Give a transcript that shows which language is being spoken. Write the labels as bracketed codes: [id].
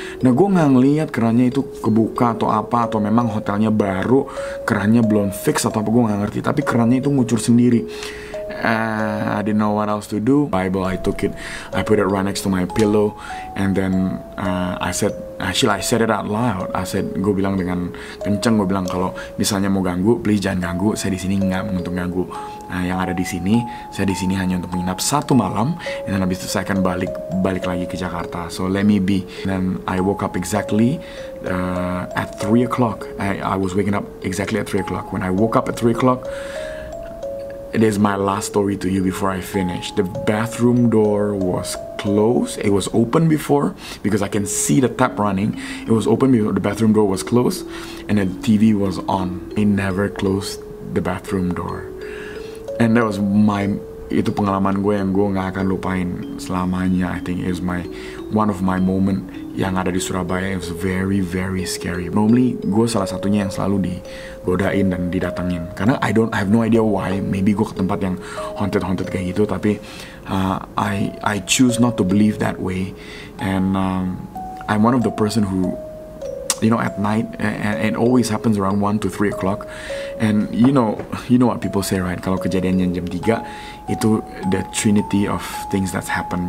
[id] Nah gue gak ngeliat kerannya itu kebuka atau apa, atau memang hotelnya baru kerannya belum fix atau apa, gue gak ngerti, tapi kerannya itu ngucur sendiri. [en] I didn't know what else to do. Bible, I took it, I put it right next to my pillow, and then I said Actually, I said it out loud. I said, [id] gue bilang dengan kenceng, gue bilang kalau misalnya mau ganggu, please jangan ganggu. Saya di sini nggak untuk ganggu yang ada di sini. Saya di sini hanya untuk menginap satu malam. [en] And then [id] abis itu saya akan balik lagi ke Jakarta. [en] So let me be. And then I woke up exactly at 3 o'clock. I was waking up exactly at 3 o'clock. When I woke up at 3 o'clock, it is my last story to you before I finish. The bathroom door was closed. It was open before because I can see the tap running. It was open before, the bathroom door was closed, and the TV was on. I never closed the bathroom door. And that was my, [id] itu pengalaman gue yang gue gak akan lupain selamanya. [en] I think it was my, one of my moment [id] yang ada di [en] Surabaya. It was very, very scary. [id] Normally, gue salah satunya yang selalu digodain dan didatengin. Karena [en] I have no idea why. Maybe [id] gue ke tempat yang haunted-haunted kayak gitu. Tapi, [en] I choose not to believe that way. And I'm one of the person who, you know, at night, and it always happens around 1 to 3 o'clock. And you know what people say, right? [id] Kalau kejadiannya jam 3, itu [en] the trinity of things that's happened.